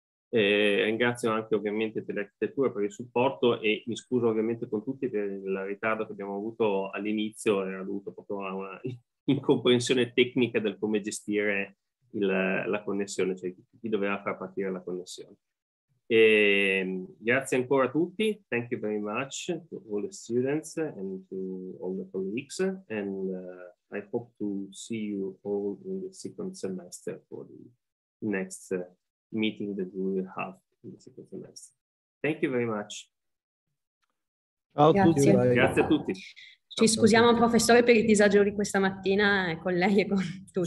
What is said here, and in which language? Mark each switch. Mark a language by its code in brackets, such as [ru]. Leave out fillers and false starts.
[it] Ringrazio anche ovviamente Telearchitettura per il supporto e mi scuso ovviamente con tutti per il ritardo che abbiamo avuto all'inizio, era dovuto proprio a una incomprensione tecnica del come gestire la connessione, cioè chi doveva far partire la connessione. E grazie ancora a tutti, [en] thank you very much to all the students and to all the colleagues, and I hope to see you all in the second semester for the next meeting that we will have in the second semester. Thank you very much. [it] Ciao a tutti. Grazie a tutti. Ci scusiamo professore per il disagio di questa mattina con lei e con tutti.